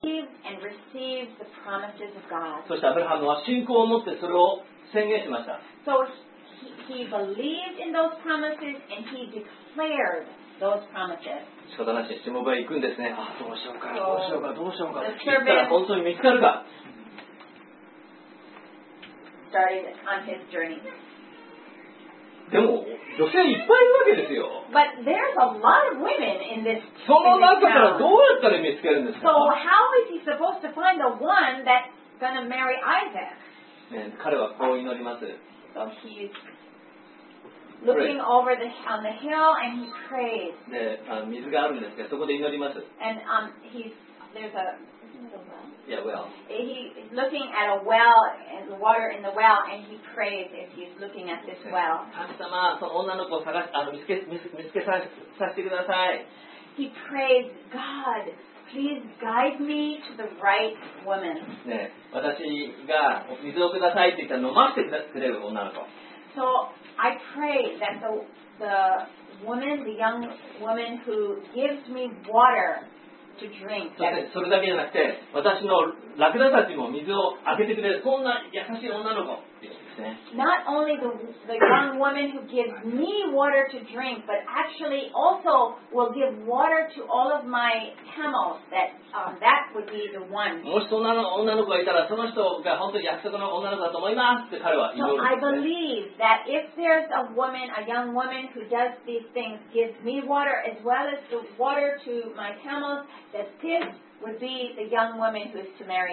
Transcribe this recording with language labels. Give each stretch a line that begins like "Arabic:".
English: believes the promises of God.
Japanese: そしてアブラハムは信仰を持ってそれを宣言しました。
English: So he believed in those promises and he declared those promises.
Japanese: 仕方なし、しもべ行くんですね。ああ、どうしようか、どうしようか、どうしようか。行ったら本当に見つかるか。
English: Started on his journey.
Japanese: でも女性いっぱいいるわけですよ。
English: But there's a lot of women in this.
Japanese: その中からどうやったら見つけるんですか。
English: So how is he supposed to find the one that's gonna marry Isaac?、
Japanese: 彼はこう祈ります。
English: So he's looking over the on the hill and he prays.
Japanese: で、水があるんですけどそこで祈ります。
English: And he's there's a Yeah, well. He's looking at a well and the water in the well, and he prays as he's looking at this well.
Japanese: 神様、その女の子を探し、見つけさせてください。
English: He prays, God, please guide me to the right woman.
Japanese: ね、私が水をくださいって言ったら飲ませてくれる女の子。
English: So I pray that the woman, the young woman who gives me water.
Japanese: それだけじゃなくて私のラクダたちも水をあげてくれるそんな優しい女の子
English: Not only the young woman who gives me water to drink, but actually also will give water to all of my camels. That would be the one.
Japanese: もしそんな女の子がいたら、その人が本当に約束の女の子だと思いますって彼は祈るんですね。
English: So I believe that if there's a woman, a young woman who does these things, gives me water as well as the water to my camels, that this would be the young woman who is to marry